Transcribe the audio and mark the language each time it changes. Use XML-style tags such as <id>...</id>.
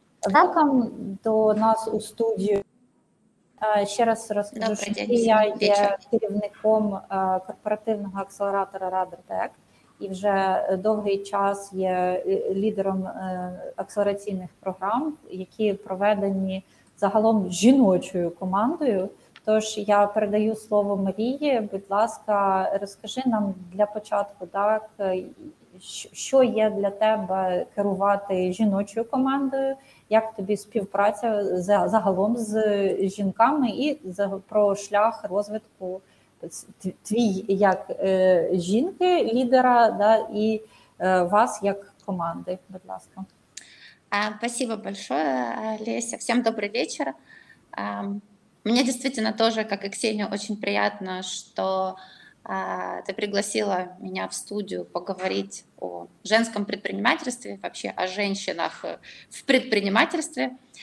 <en>Welcome</en> <uk>до нас у студию. Еще раз расскажу, что я є керівником корпоративного акселератора RadarTech і вже довгий час є лідером акселераційних програм, які проведені загалом жіночою командою. Тож я передаю слово Марії. Будь ласка, розкажи нам для початку, так, що є для тебе керувати жіночою командою, як тобі співпраця загалом з жінками і про шлях розвитку твій як жінки, лідера, да, і вас як команди. Будь ласка.</uk> <ru>Спасибо большое, Леся. Всем добрый вечер. Мне действительно тоже, как и Ксению, очень приятно, что ты пригласила меня в студию поговорить о женском предпринимательстве, вообще о женщинах в предпринимательстве.</ru>